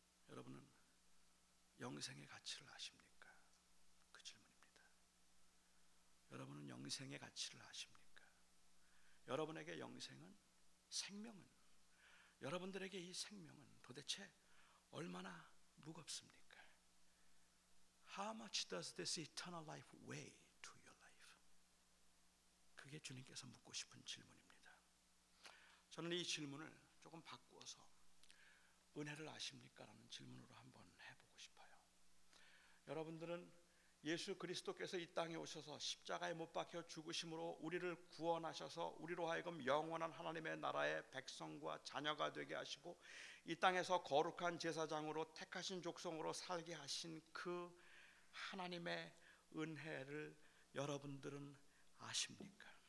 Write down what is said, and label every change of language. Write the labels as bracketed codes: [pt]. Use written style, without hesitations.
[ko] 여러분은 영생의 가치를 아십니까? 그 질문입니다. 여러분은 영생의 가치를 아십니까? 여러분에게 영생은, 생명은, 여러분들에게 이 생명은 도대체 얼마나 무겁습니까? [en] How much does this eternal life weigh to your life? [ko] 그게 주님께서 묻고 싶은 질문입니다. 저는 이 질문을 조금 바꾸어서 은혜를 아십니까? 라는 질문으로 한번 해보고 싶어요. 여러분들은 예수 그리스도께서 이 땅에 오셔서 십자가에 못 박혀 죽으심으로 우리를 구원하셔서 우리로 하여금 영원한 하나님의 나라의 백성과 자녀가 되게 하시고 이 땅에서 거룩한 제사장으로 택하신 족속으로 살게 하신 그 하나님의 은혜를 여러분들은 아십니까?